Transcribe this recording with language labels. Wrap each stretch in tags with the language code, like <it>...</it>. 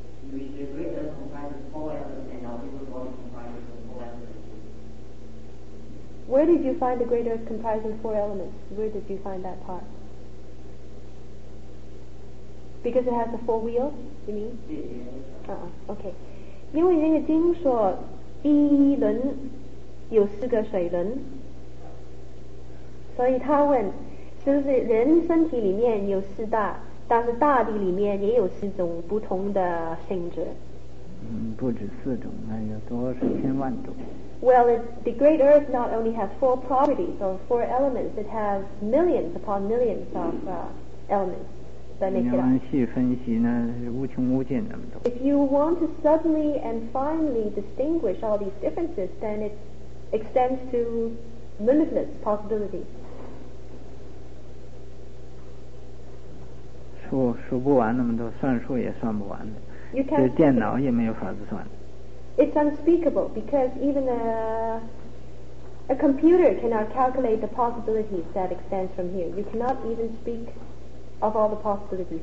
<en>Which the great earth comprises four elements and our human body comprises four elements. Where did you find the great earth comprising four elements? Where did you find that part? Because it has the four wheels, you mean? Okay.</en> <zh>因为那个经说第一轮有四个水轮，所以他问是不是人身体里面有四大，但是大地里面也有四种不同的性质。不止四种，那有多少千万种。</zh> <en>Well, the great earth not only has four properties or four elements, it has millions upon millions of elements that make it up.</en> <zh>你要细分析呢，是无穷无尽那么多。</zh> <en>If you want to suddenly and finally distinguish all these differences, then it extends to limitless possibilities.</en> <zh>数不完那么多，算数也算不完的。</zh> <en>You can't.</en> <zh>这电脑也没有法子算。</zh> <en>It's unspeakable because even a computer cannot calculate the possibilities that extend from here. You cannot even speak of all the possibilities.</en>